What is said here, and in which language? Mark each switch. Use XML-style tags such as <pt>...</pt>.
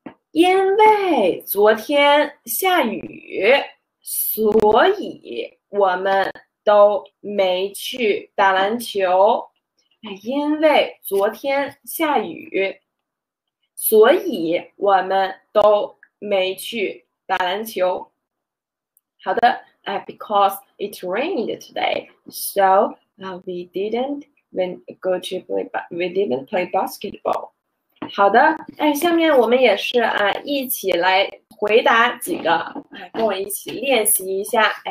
<zh>因为昨天下雨，所以我们都没去打篮球。因为昨天下雨，所以我们都。没去打篮球。</zh> <en>好的，because it rained today, so we didn't play basketball。</en> <zh>好的，下面我们也是一起来回答几个，跟我一起练习一下。</zh>